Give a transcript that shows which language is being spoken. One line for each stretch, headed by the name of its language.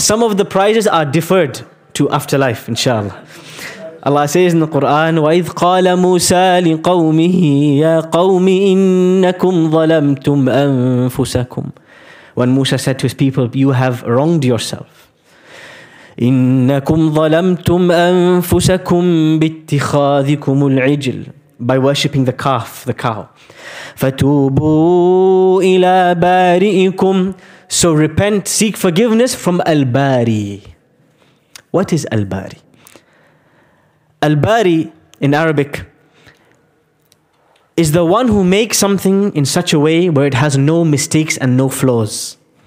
English: Some of the prizes are deferred to afterlife, inshallah. Allah says in the Quran,
Arabic: وَإِذْ قَالَ مُوسَى لِقَوْمِهِ يَا قَوْمِ إِنَّكُمْ ظَلَمْتُمْ أَنفُسَكُمْ.
English: When Musa said to his people, you have wronged yourself.
Arabic: إنكم ظلمتم أنفسكم باتخاذكم العجل.
English: By worshipping the calf, the cow.
Arabic: فتوبوا إلى بارئكم.
English: So repent, seek forgiveness from Al-Bari. What is Al-Bari? Al-Bari in Arabic is the one who makes something in such a way where it has no mistakes and no flaws.